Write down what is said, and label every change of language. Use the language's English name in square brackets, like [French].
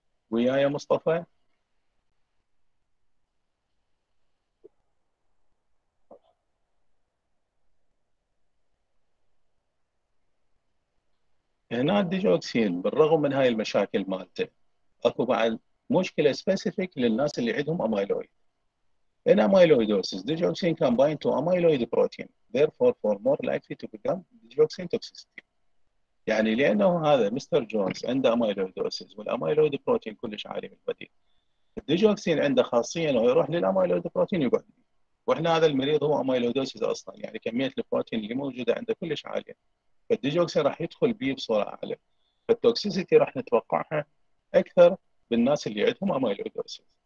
[Arabic] ويا يا مصطفى هنا الديجوكسين بالرغم من هاي المشاكل مالته، اكو بعد مشكله سبيسيفيك للناس اللي عندهم امايلويد. [English] In amyloidosis, digoxin can bind to amyloid protein. Therefore, for more likely to become digoxin toxicity. [Arabic] يعني لأنه هذا مستر جونز عنده amyloidosis والamyloid protein كلش عالي من البديل. الديجوكسين عنده خاصية إنه يروح للamyloid protein يقعد. وإحنا هذا المريض هو amyloidosis أصلاً، يعني كمية البروتين اللي موجودة عنده كلش عالية. فالديجوكسين راح يدخل بيه بسرعة عالية. فالتوكسيسيتي راح نتوقعها أكثر بالناس اللي عندهم amyloidosis.